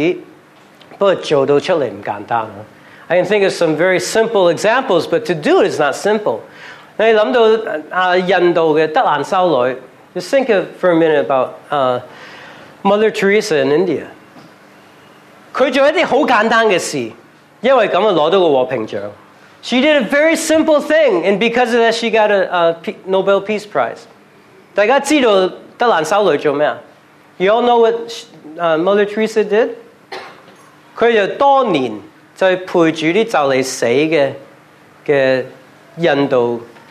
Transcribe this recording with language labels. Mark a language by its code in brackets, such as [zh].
[zh] 我想到一些很简单的例子，不过做到出来不简单。 [en] I can think of some very simple examples, but to do it is not simple. [zh] 你想到印度的德蘭修女, [en] just think of for a minute about Mother Teresa in India. [zh] 她做一些很简单的事，因为这样就拿到个和平奖。 [en] She did a very simple thing, and because of that, she got a Nobel Peace Prize. [zh] 大家知道德蘭修女做什么? [en] You all know what Mother Teresa did? [zh] 她有多年就陪着就来死的印度。